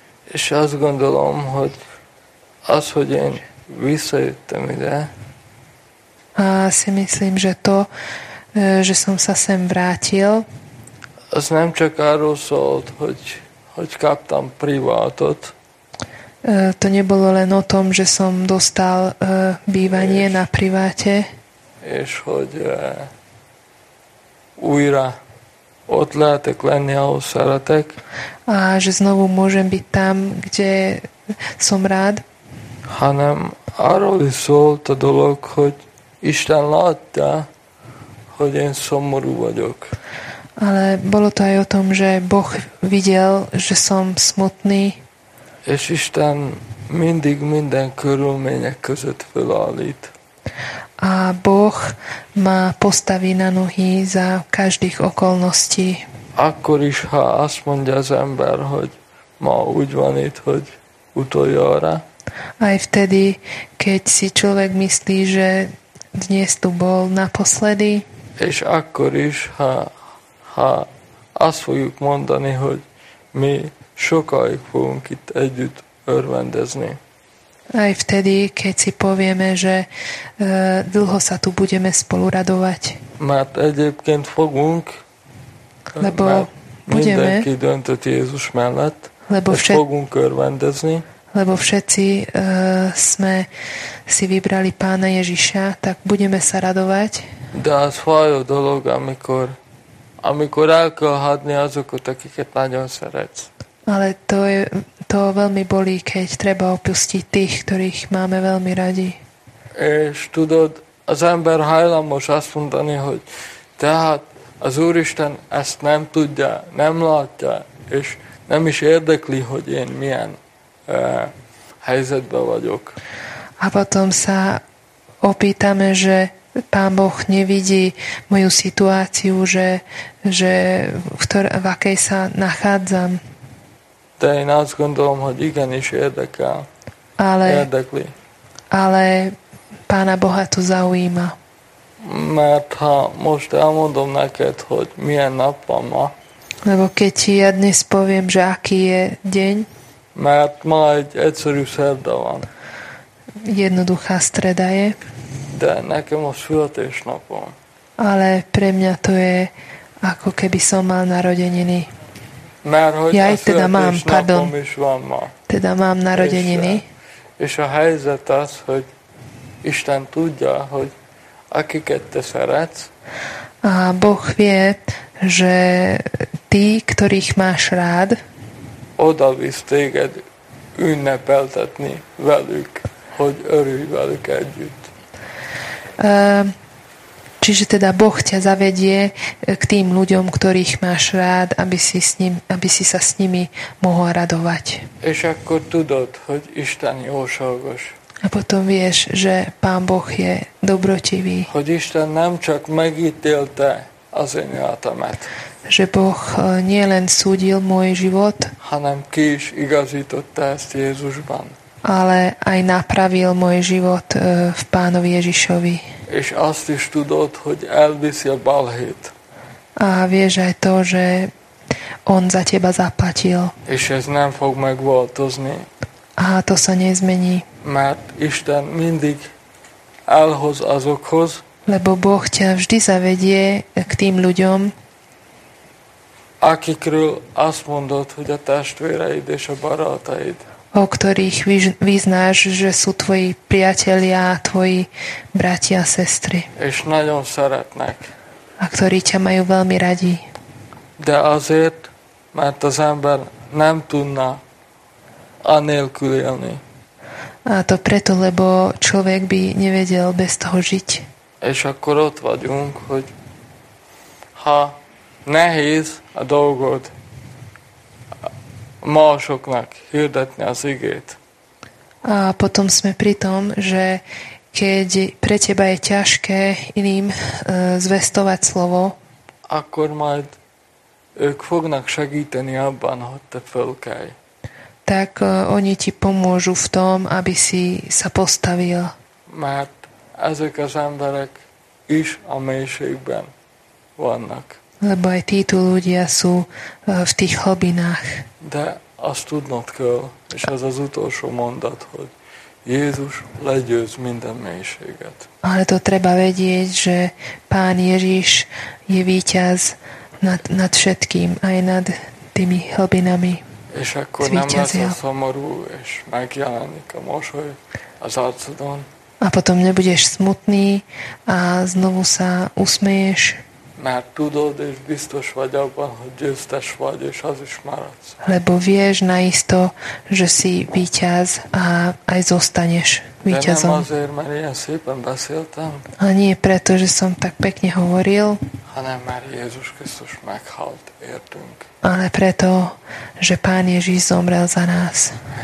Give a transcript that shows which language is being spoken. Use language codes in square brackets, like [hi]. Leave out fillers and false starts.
[hu] És azt gondolom, hogy én visszajöttem ide. [sk] A si myslím, že to, že som sa sem vrátil. [hu] Az nem csak arról szólt, hogy kaptam privátot. [sk] To nebolo len o tom, že som dostal bývanie na priváte. [hu] És hogy újra ott lehetek lenni, ahol szeretek. [sk] A že znovu môžem byť tam, kde som rád. [hu] Hanem arról is szólt a dolog, hogy Isten látta, hogy én szomorú vagyok. [sk] Ale bolo to aj o tom, že Boh videl, že som smutný. [hu] És Isten mindig minden körülmények között felállít. [sk] A Boh má postaví na nohy za každých okolností. [hu] Akkor is, ha azt mondja az ember, hogy ma úgy van itt, hogy utoljára. [sk] Aj vtedy, keď si človek myslí, že dnes tu bol naposledy. [hu] És akkor is, ha azt fogjuk mondani, hogy mi sokáig fogunk itt együtt örvendezni. [sk] Aj vtedy, keď si povieme, že dlho sa tu budeme spolu radovať. [hu] Mert egyébként fogunk, [sk] lebo budeme, [hu] mindenki döntött Jézus mellett, [sk] lebo [hu] fogunk örvendezni. [sk] Lebo všetci sme si vybrali Pána Ježiša, tak budeme sa radovať. [hu] De az fájó dolog, amikor Amikor el kell hagyni azokat, akiket nagyon szeretsz. [sk] Ale to veľmi bolí, keď treba opustiť tých, ktorých máme veľmi radi. [hu] És tudod, az ember hajlamos azt mondani, hogy tehát az Úristen ezt nem tudja, nem látja, és nem is érdekli, hogy én milyen helyzetben vagyok. [sk] A potom sa opýtame, že Pán Boh nevidí moju situáciu, v akej sa nachádzam. [hu] De én azt gondolom, hogy igenis érdekel. Érdekli. [sk] Ale Pána Boha to zaujíma. [hu] Mert ha most elmondom neked, hogy milyen nap van ma. [sk] Lebo keď ti ja dnes poviem, že aký je deň. [hu] Mert ma egy egyszerű szerda van. [sk] Jednoduchá streda je. [hu] De nekem a születésnapom. [sk] Ale pre mňa to je, ako keby som mal narodeniny. [hu] Mert hogy ja, a születésnapom is van ma. [sk] Teda mám narodeniny. [hu] És a helyzet az, hogy Isten tudja, hogy akiket te szeretsz. [sk] A Boh vie, že tí, ktorých máš rád, [hu] oda visz téged ünnepeltetni velük, hogy örülj velük együtt. [sk] Čiže teda Boh ťa zavedie k tým ľuďom, ktorých máš rád, aby si sa s nimi mohol radovať. [hu] És akkor tudod, hogy Isten jóságos. [sk] A potom vieš, že Pán Boh je dobrotivý. [hu] Hogy Isten nem csak megítélte az én életemet. [sk] Že Boh nielen súdil môj život, [hu] hanem ki is igazította ezt Jézusban. [sk] Ale aj napravil môj život v Pánovi Ježišovi. [hu] És azt is tudod, hogy elviszi a balhét. [sk] A vieš aj to, že on za teba zaplatil. [hu] És ez nem fog megváltozni. [sk] A to sa nezmení. [hu] Mert Isten mindig elhoz azokhoz, [sk] lebo Boh ťa vždy zavedie k tým ľuďom, [hu] akikről azt mondod, hogy a testvéreid és a barátaid, [sk] o ktorých vyznáš, že sú tvoji priatelia a tvoji bratia a sestry, [hu] és nagyon szeretnek, [sk] a ktorí ťa majú veľmi radi. [hu] De azért, mert az ember nem tudna anélkül élni. [sk] A to preto, lebo človek by nevedel bez toho žiť. [hu] És akkor ott vagyunk, hogy ha nehéz a dolgod másoknak hirdetni az igét. [sk] A potom sme pri tom, že keď pre teba je ťažké iným zvestovať slovo, [hu] akkor majd ők fognak segíteni abban, hogy te fölkelj. [sk] Tak oni ti pomôžu v tom, aby si sa postavil. [hu] Mert ezek az emberek is a mélységben vannak. [sk] Lebo aj títo ľudia sú v tých hlbinách. [hu] De azt tudnod kell, és ez az utolsó mondat, hogy Jézus legyőz minden mélységet. [sk] Ale to treba vedieť, že Pán Ježiš je víťaz nad všetkým, aj nad tými hlbinami. [hu] És akkor [sk] zvíťazil. [hu] Nem lesz a szomorú, és megjelenik a mosoly az arcodon. [sk] A potom nebudeš smutný a znovu sa usmieš. [hu] Mert tudod, és biztos vagy abban, hogy győztes vagy, és az is maradsz. [sk] Lebo vieš naisto, že si víťaz a aj zostaneš víťazom. [hu] De nem azért, mert ilyen szépen beszéltem. [sk] A nie preto, že som tak pekne hovoril. [hu] Hanem már Jézus Krisztus meghalt, értünk. [sk] Ale preto, že Pán Ježíš zomrel za nás.